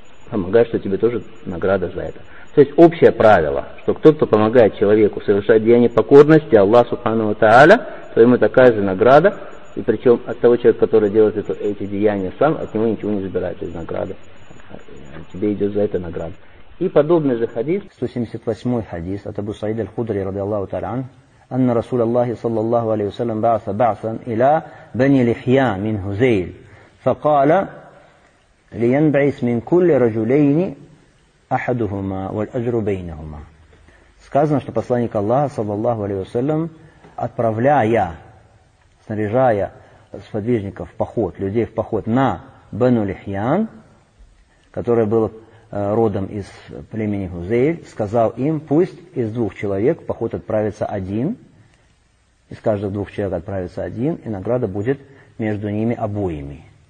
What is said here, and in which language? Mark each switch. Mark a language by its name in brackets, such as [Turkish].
[Russian] Помогает, что тебе тоже награда за это. То есть общее правило, что кто-то помогает человеку совершать деяния покорности Аллаху субхану ва тааля, то ему такая же награда. И причем от того человека, который делает эти деяния сам, от него ничего не забирается из награды. Тебе идет за это награда. И подобный же хадис. 178 хадис от Абу Саид аль-Худри ради Аллаху тааля. [Arabic] أن رسول الله صلى الله عليه وسلم بعث بعثا إلى بني لحيان من هزيل فقال لينبعث من كل رجلين أحدهما والأجر بينهما. [Russian] Сказано, что посланник Аллаха [Arabic] صلى الله عليه وسلم [Russian] отправляя, снаряжая сподвижников в поход, людей в поход на Бену Лихьян, которое было родом из племени Хузейл, сказал им, пусть из двух человек в поход отправится один, из каждого двух человек отправится один, и награда будет между ними обоими.